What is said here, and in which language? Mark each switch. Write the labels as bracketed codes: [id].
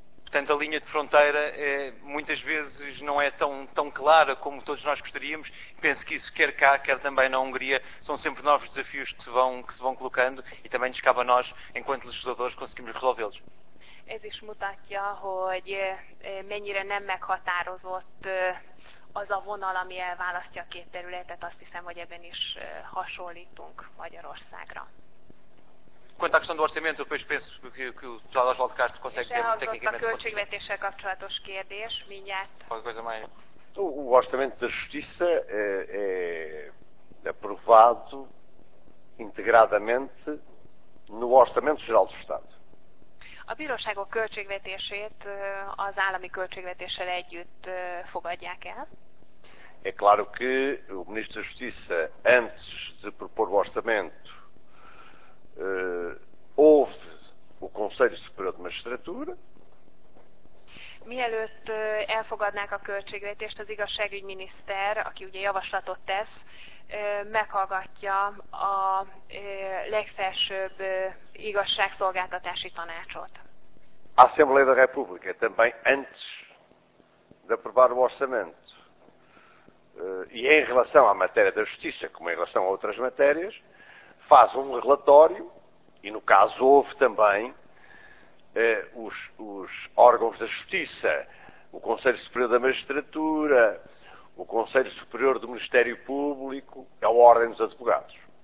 [pt] Portanto, a linha de fronteira é, muitas vezes não é tão clara como todos nós gostaríamos. Penso que isso, quer cá, quer também na Hungria, são sempre novos desafios que se vão colocando e também nos cabe a nós, enquanto legisladores, conseguimos resolvê-los. [hu] Ez is mutatja, hogy mennyire nem meghatározott az a vonal, ami elválasztja a két területet. Azt hiszem, hogy ebben is hasonlítunk Magyarországra. [pt] Quanto à questão do orçamento, depois penso que o deputado Oswaldo Castro consegue dizer tecnicamente. [hu] A kapcsolatos kérdés, mindjárt. [pt] Coisa mais. O orçamento da Justiça é aprovado integradamente no Orçamento Geral do Estado. [hu] A bíróságok költségvetését az állami költségvetéssel együtt fogadják el. [pt] É claro que o Ministro da Justiça, antes de propor o orçamento, houve o Conselho Superior de Magistratura. [hu] Mielőtt elfogadnák a költségvetést, az igazságügyminiszter, aki ugye javaslatot tesz, meghallgatja a legfelsőbb igazságszolgáltatási tanácsot. [pt] A Assembleia da República também, antes de aprovar o orçamento e em relação à matéria da justiça, como em relação a outras matérias, faz um relatório. E no caso houve também os órgãos da justiça, o Conselho Superior da Magistratura, o Conselho Superior do Ministério Público, é a Ordem dos Advogados.